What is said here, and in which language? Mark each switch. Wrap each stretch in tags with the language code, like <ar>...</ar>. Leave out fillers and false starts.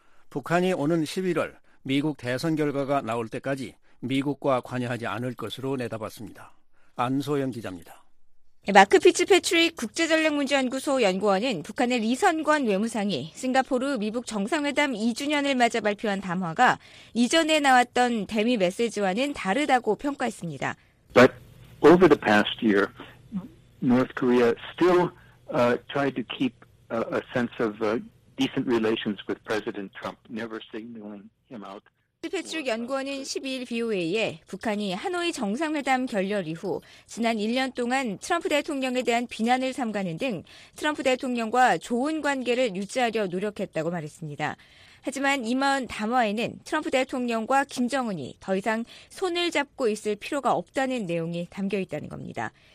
<ko>북한이 오는 11월 미국 대선 결과가 나올 때까지 미국과 관여하지 않을 것으로 내다봤습니다. 안소영 기자입니다. 마크 피츠패트릭 국제전략문제연구소 연구원은 북한의 리선관 외무상이 싱가포르 미북 정상회담 2주년을 맞아 발표한 담화가 이전에 나왔던 대미 메시지와는 다르다고 평가했습니다.</ko> <en>But over the past year, North Korea still tried to keep a sense of decent relations with President Trump, never signaling him out.</en> <ko>패트릭 연구원은 12일 VOA에 북한이 하노이 정상회담 결렬 이후 지난 1년 동안 트럼프 대통령에 대한 비난을 삼가는 등 트럼프 대통령과 좋은 관계를 유지하려 노력했다고 말했습니다. 하지만 이번 담화에는 트럼프 대통령과 김정은이 더 이상 손을 잡고 있을 필요가 없다는 내용이 담겨 있다는 겁니다.</ko>